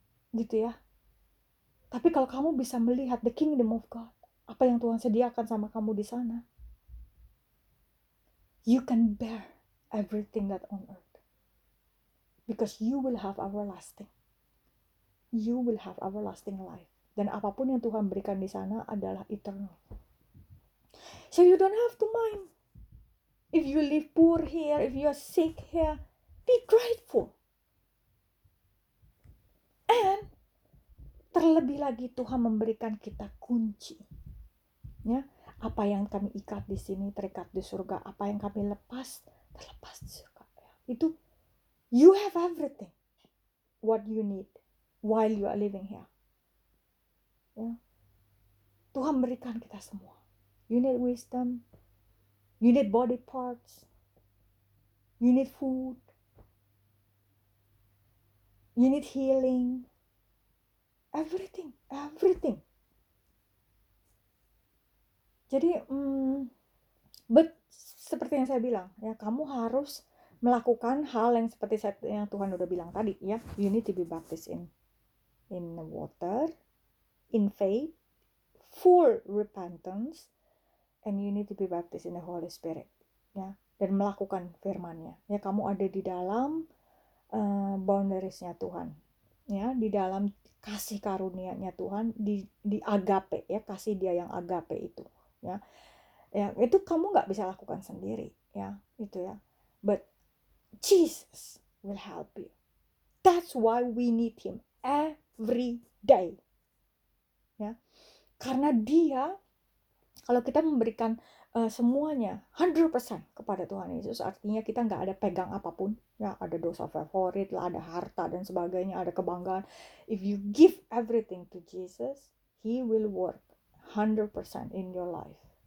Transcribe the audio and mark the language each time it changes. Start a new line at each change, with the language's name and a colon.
Indonesian: Gitu ya. Tapi kalau kamu bisa melihat the kingdom of God, apa yang Tuhan sediakan sama kamu di sana,
English: you can bear everything that on earth. Because you will have everlasting. You will have everlasting life.
Indonesian: Dan apapun yang Tuhan berikan di sana adalah eternal.
English: So you don't have to mind. If you live poor here, if you are sick here, be grateful.
Indonesian: And terlebih lagi Tuhan memberikan kita kunci. Ya, apa yang kami ikat di sini terikat di surga, apa yang kami lepas terlepas di surga. Ya, itu
English: you have everything what you need while you are living here.
Indonesian: Ya. Tuhan berikan kita semua.
English: You need wisdom. You need body parts. You need food. You need healing. Everything.
Indonesian: Jadi, but seperti yang saya bilang, ya kamu harus melakukan hal yang seperti yang Tuhan udah bilang tadi, ya.
English: You need to be baptized in water, in faith, full repentance, and you need to be baptized in the Holy Spirit, ya.
Indonesian: Dan melakukan firman-Nya. Ya, kamu ada di dalam boundaries-Nya Tuhan, ya, di dalam kasih karunia-Nya Tuhan, di agape, ya, kasih Dia yang agape itu. Ya, ya itu kamu nggak bisa lakukan sendiri, ya itu ya.
English: But Jesus will help you. That's why we need Him every day.
Indonesian: Ya, karena Dia, kalau kita memberikan semuanya 100% kepada Tuhan Yesus, artinya kita nggak ada pegang apapun. Ya, ada dosa favorit lah, ada harta dan sebagainya, ada kebanggaan.
English: If you give everything to Jesus, He will work 100% in your life.